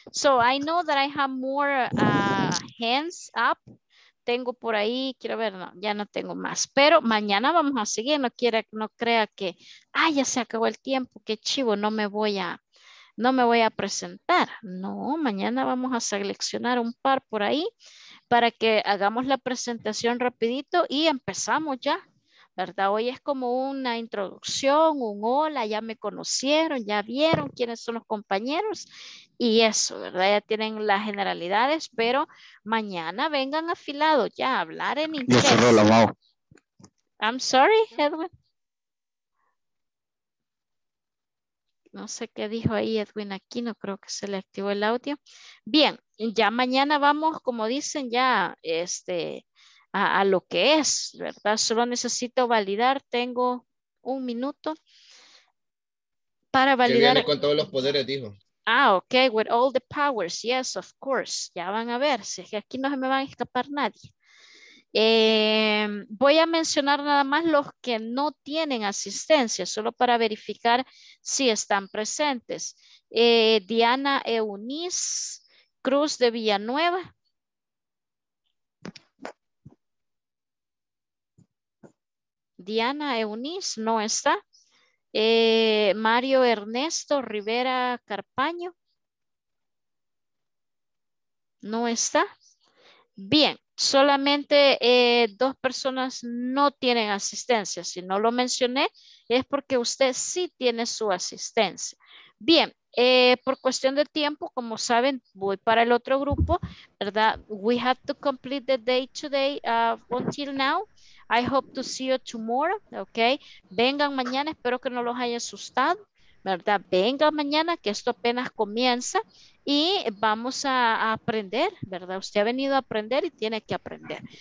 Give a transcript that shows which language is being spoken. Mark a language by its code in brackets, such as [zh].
[en] So I know that I have more hands up. [es] Tengo por ahí, quiero ver, no, ya no tengo más. Pero mañana vamos a seguir. No crea que ya se acabó el tiempo. Qué chivo, no me voy a presentar. No, mañana vamos a seleccionar un par por ahí para que hagamos la presentación rapidito y empezamos ya. ¿Verdad? Hoy es como una introducción, un hola, ya me conocieron, ya vieron quiénes son los compañeros y eso, ¿verdad? Ya tienen las generalidades, pero mañana vengan afilados ya a hablar en inglés. Yo cerré la mano. [en] I'm sorry, Edwin. [es] no sé qué dijo ahí Edwin Aquino, creo que se le activó el audio. Bien, ya mañana vamos, como dicen, ya a lo que es, ¿verdad? Solo necesito validar, tengo un minuto para validar. Que viene con todos los poderes, dijo. [en] Ah, ok, with all the powers, yes, of course. [es] Ya van a ver, si es que aquí no se me van a escapar nadie. Voy a mencionar nada más los que no tienen asistencia, solo para verificar si están presentes. Diana Eunice Cruz de Villanueva. Diana Eunice no está. Mario Ernesto Rivera Carpaño. No está. Bien. Solamente dos personas no tienen asistencia. Si no lo mencioné, es porque usted sí tiene su asistencia. Bien, por cuestión de tiempo, como saben, voy para el otro grupo, ¿verdad? [en] We have to complete the day today until now. I hope to see you tomorrow, ¿ok? [es] Vengan mañana, espero que no los haya asustado, ¿verdad? Vengan mañana, que esto apenas comienza. Y vamos a aprender, ¿verdad? Usted ha venido a aprender y tiene que aprender.